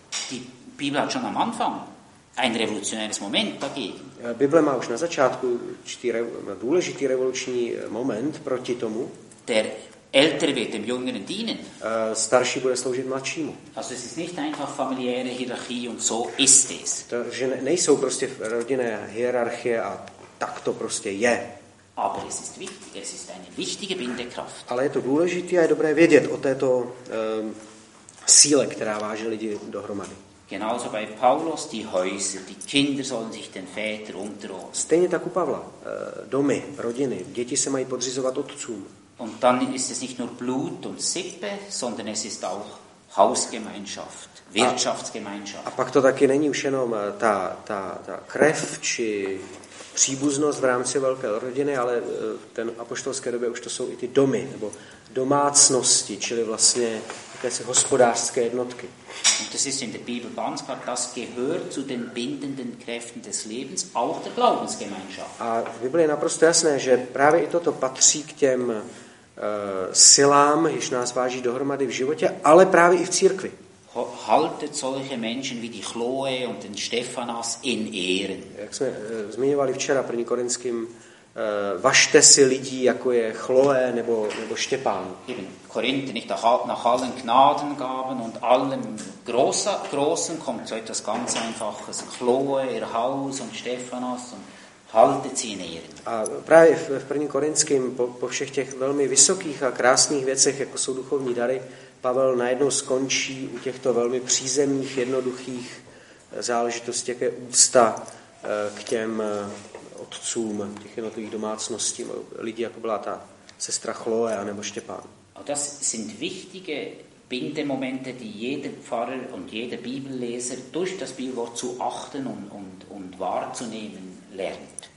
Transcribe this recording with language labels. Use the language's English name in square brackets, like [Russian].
[German] Die Bibel hat schon am Anfang ein revolutionäres Moment dagegen. [Czech] Bible má už na začátku důležitý revoluční moment proti tomu. [German] Der Ältere wird dem Jüngeren dienen. [Czech] Starší bude sloužit mladšímu. [German] Also es ist nicht einfach familiäre Hierarchie und so ist es. [Czech] Takže nejsou prostě rodinné hierarchie a tak to prostě je. [German] Aber es ist wichtig, es ist eine wichtige Bindekraft. [Czech] Ale je to důležité a je dobré vědět o této síle, která váže lidi dohromady. [German] Genauso bei Paulus, die Häuser, die Kinder sollen sich den Vätern unterordnen. [Czech] Stejně tak u Pavla, domy, rodiny, děti se mají podřizovat otcům. [German] Und dann ist es nicht nur Blut und Sippe, sondern es ist auch Hausgemeinschaft, Wirtschaftsgemeinschaft. [Czech] A pak to taky není už jenom ta krev či příbuznost v rámci velké rodiny, ale v ten apoštolské době už to jsou i ty domy nebo domácnosti, čili vlastně jakési hospodářské jednotky. [German] Und das ist in der Bibel ganz klar, das gehört zu den bindenden Kräften des Lebens, auch der Glaubensgemeinschaft. [Czech] A v Bibli je naprosto jasné, že právě i toto patří k těm silám, jež nás váží dohromady v životě, ale právě i v církvi. [German] Haltet solche Menschen wie die Chloe und den Stephanas in Ehren. [Czech] Jak jsme zmiňovali včera první Korinským, vašte si lidi jako je Chloe nebo Stefan. [German] Korinth nicht nach allen Gnadengaben und allem großen kommt so etwas ganz einfaches. Chloe, ihr Haus und Stephanas und haltet sie in Ehren. [Czech] A právě v první Korinským po všech těch velmi vysokých a krásných věcech, jako jsou duchovní dary, Pavel najednou skončí u těchto velmi přízemních, jednoduchých záležitostí, jaké úcta k těm otcům, těch jednotlivých domácností, lidí, jako byla ta sestra Chloe a nebo Štěpán. A to jsou důležité [German] bindemomente, die jeder Pfarrer und jeder Bibelleser durch das Bibelwort zu achten und wahrzunehmen lernt.